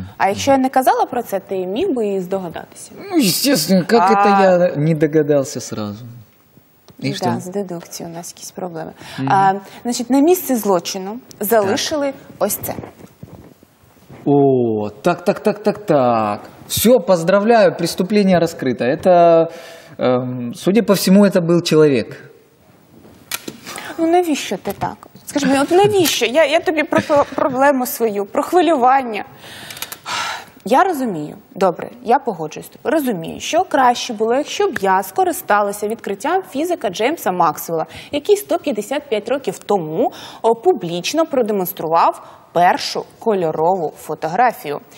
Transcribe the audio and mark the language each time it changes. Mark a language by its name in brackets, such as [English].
[Ukrainian] А якщо я не казала про це, ти міг би і здогадатися. [Russian] Ну, естественно, как это я не догадався сразу. [Ukrainian] І що? Да, з дедукцією у нас якісь проблеми. Угу. Значить, на місці злочину залишили так. Ось це. О, так. [Russian] Все, поздравляю, преступление раскрыто. Это, судя по всему, это был человек. [Ukrainian] Ну, навіщо ти так? Скажи мені, от навіщо? Я тобі про проблему свою, про хвилювання. Я розумію. Добре, я погоджуюсь. Розумію, що краще було, якщо б я скористалася відкриттям фізика Джеймса Максвелла, який 155 років тому публічно продемонстрував першу кольорову фотографію.